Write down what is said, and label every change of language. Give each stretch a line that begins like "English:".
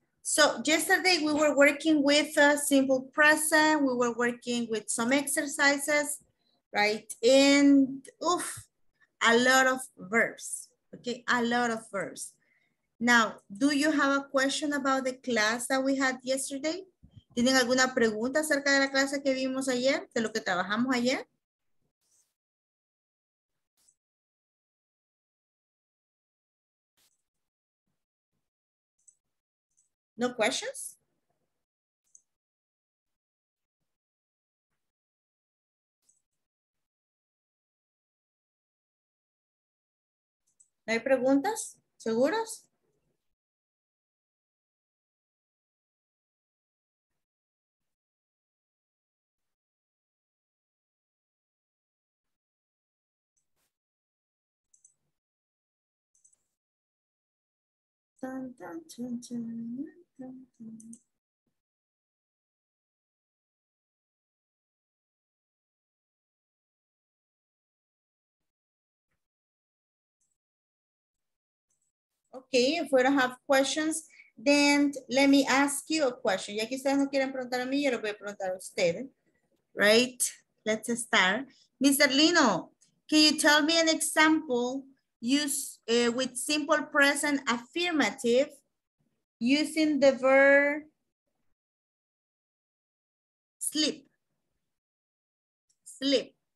English: So yesterday we were working with a simple present. We were working with some exercises, right? And oof, a lot of verbs. Okay, a lot of verbs. Now, do you have a question about the class that we had yesterday?
Spanish: ¿Tienen alguna pregunta acerca de la clase que vimos ayer? ¿De lo que trabajamos ayer?
English: No questions?
Spanish: ¿No hay preguntas? ¿Seguros? Dun, dun, dun, dun.
English: Okay, if we don't have questions, then let me ask you a question.
Spanish: Ya que ustedes no quieren preguntar a mí, yo lo voy a preguntar a ustedes.
English: Right? Let's start. Mr. Lino, can you tell me an example with simple present affirmative? Using the verb sleep. flip.